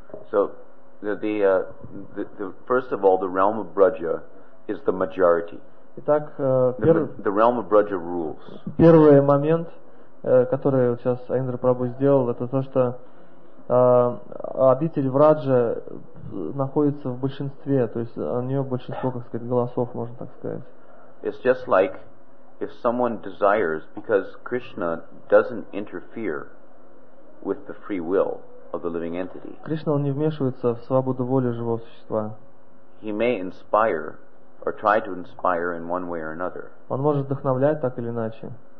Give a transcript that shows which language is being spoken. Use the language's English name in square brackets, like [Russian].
[English] So the first of all, the realm of Braja is the majority. [Russian] Итак, [English] the realm of Braja rules. [Russian] Первый момент, который сейчас Аиндра Прабху сделал, это то, что обитель Враджа находится в большинстве, то есть у нее большинство, как сказать, голосов, можно так сказать. [English] It's just like if someone desires, because Krishna doesn't interfere with the free will of the living entity. [Russian] Кришна не вмешивается в свободу воли живого существа. [English] He may inspire or try to inspire in one way or another. [Russian] Он может вдохновлять так или иначе.